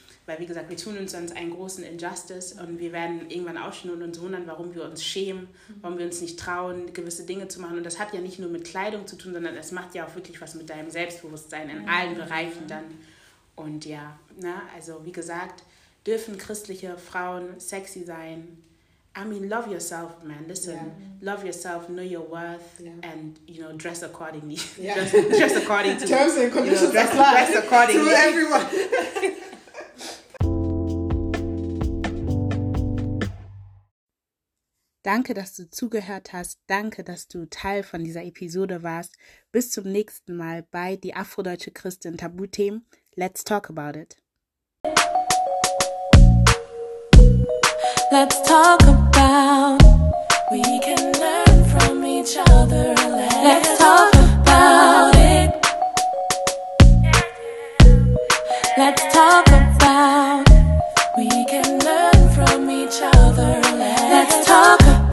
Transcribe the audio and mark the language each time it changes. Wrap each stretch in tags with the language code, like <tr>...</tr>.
<de>Weil, wie gesagt, wir tun uns sonst einen großen Injustice und wir werden irgendwann aufstehen und uns wundern, warum wir uns schämen, warum wir uns nicht trauen, gewisse Dinge zu machen. Und das hat ja nicht nur mit Kleidung zu tun, sondern es macht ja auch wirklich was mit deinem Selbstbewusstsein in allen Bereichen dann. Und ja, na, also wie gesagt, dürfen christliche Frauen sexy sein?</de> <en>I mean, love yourself, man. Listen, yeah, love yourself, know your worth, yeah, and, you know, dress accordingly. Yeah. Dress according to terms and conditions, you know, dress accordingly. To everyone.</en> <de>Danke, dass du zugehört hast. Danke, dass du Teil von dieser Episode warst. Bis zum nächsten Mal bei Die Afrodeutsche Christin Tabuthemen.</de> <en>Let's talk about it. Let's talk about, we can learn from each other. Let's talk about it. Let's talk about, we can learn from each other. Let's talk about.</en>